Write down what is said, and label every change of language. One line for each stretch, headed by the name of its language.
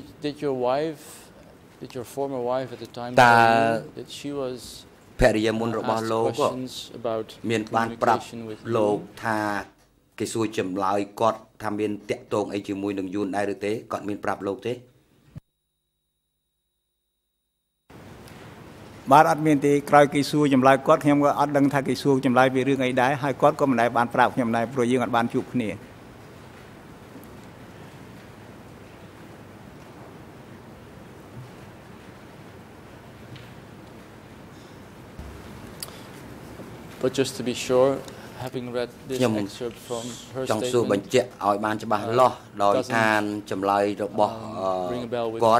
English: did your former wife at the time that she was
Khmer: ភរិយាមុនរបស់លោកមានបានប្រាប់លោកថា គេសួរចម្លើយគាត់ថាមានតាក់ទងអីជាមួយនឹងយួនដែរឬទេគាត់មានប្រាប់លោកទេ បាទអត់មានទេក្រោយគេសួរចម្លើយគាត់ខ្ញុំក៏អត់ដឹងថាគេសួរចម្លើយពីរឿងអីដែរហើយគាត់ក៏មិនដែរបានប្រាប់ខ្ញុំដែរព្រោះយើងអត់បានជួបគ្នា
English: But just to be sure, having read this excerpt from her statement,
Khmer: ចង់សួរបញ្ជាក់ឲ្យបានច្បាស់លាស់ដោយតាមចម្លើយរបស់គាត